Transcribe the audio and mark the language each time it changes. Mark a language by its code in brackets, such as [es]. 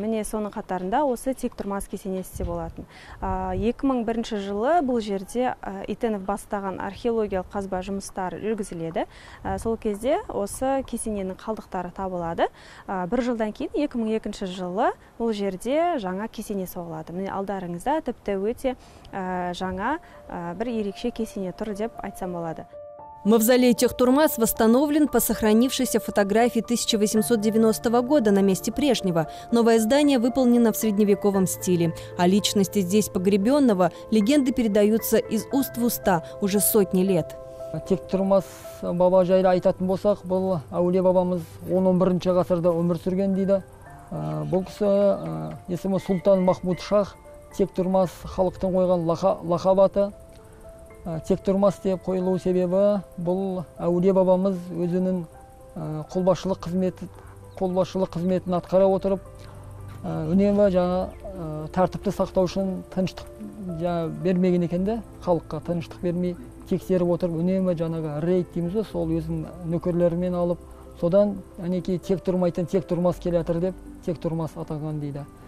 [kk] Міне, соның қатарында осы Тектұрмас кесенесі де болатын. 2001 жылы бұл жерде Итенов бастаған археологиялық қазба жұмыстары жүргізіледі. Сол кезде осы кесененің қалдықтары табылады. Бір жылдан кейін 2002 жылы бұл жерде жаңа кесене соғылады. Міне, алдарыңызда тіпті өте жаңа бір ерекше кесене тұр деп айтсам болады. [ru] Мавзолей Тектұрмас восстановлен по сохранившейся фотографии 1890 года на месте прежнего. Новое здание выполнено в средневековом стиле. О личности здесь погребенного легенды передаются из уст в уста уже сотни лет. [kk] Тектұрмас баба жайлы айтатын болсақ, бұл әулие бабамыз 11-ші ғасырда өмір сүрген дейді. Бұл кісі есімі Султан Махмуд Шах, Тектұрмас халықтың қойған лақап аты. Тектұрмас деп қойылу себебі бұл әулие бабамыз өзінің қолбасшылық қызметін атқара отырып, үнемі тәртіпті сақтау үшін тыныштық бермеген екен де, халыққа тыныштық бермей тексеріп отырып, үнемі рейд дейміз бе, сол өзінің нөкерлерімен алып, содан әнекей Тектұрмайтын Тектұрмас келатыр деп Тектұрмас атаған дейді.